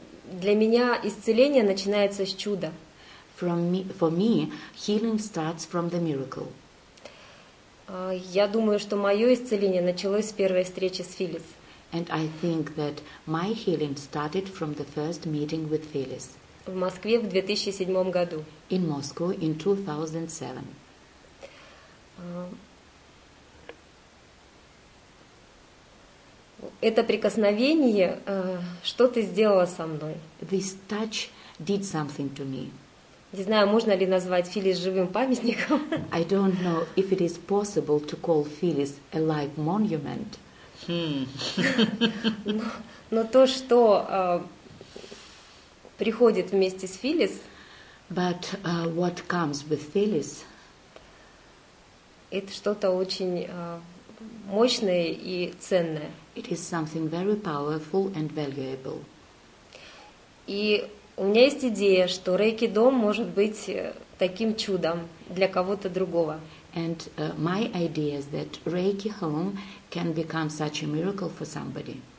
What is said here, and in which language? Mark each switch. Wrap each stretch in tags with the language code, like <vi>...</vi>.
<ru>Для меня исцеление начинается с чуда.</ru> <en>For me, healing starts from the miracle.</en> <ru>Я думаю, что мое исцеление началось с первой встречи с Филлис.</ru> <en>And I think that my healing started from the first meeting with Phyllis.</en> <ru>В Москве в 2007 году.</ru> <en>In Moscow in 2007.</en> <ru>Это прикосновение, что ты сделала со мной?</ru> <en>This touch did something to me.</en> <ru>Не знаю, можно ли назвать Филлис живым памятником.</ru> <en>I don't know if it is possible to call Phyllis a live monument.</en> <ru>Но то, что приходит вместе с Филлис,</ru> <en>but what comes with Phyllis,</en> <ru>это что-то очень мощное и ценное.</ru> <en>It is something very powerful and valuable.</en> <ru>И у меня есть идея, что Reiki Dom может быть таким чудом для кого-то другого.</ru> <en>And my idea is that Reiki Home can become such a miracle for somebody.</en>